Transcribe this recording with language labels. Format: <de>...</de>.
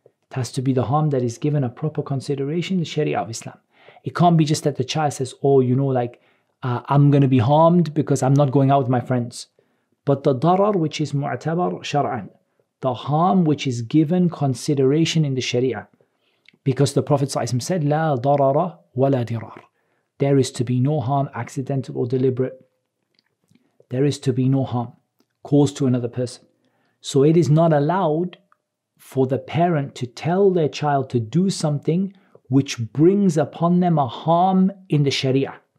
<en>It has to be the harm that is given a proper consideration in the Sharia of Islam. It can't be just that the child says, oh, you know, like, I'm going to be harmed because I'm not going out with my friends. But the darar, which is mu'tabar shar'an, the harm which is given consideration in the Sharia. Because the Prophet ﷺ said,</en> <ar>لا ضرر ولا ضرار.</ar> <en>There is to be no harm, accidental or deliberate. There is to be no harm caused to another person. So it is not allowed for the parent to tell their child to do something which brings upon them a harm in the Sharia.</en>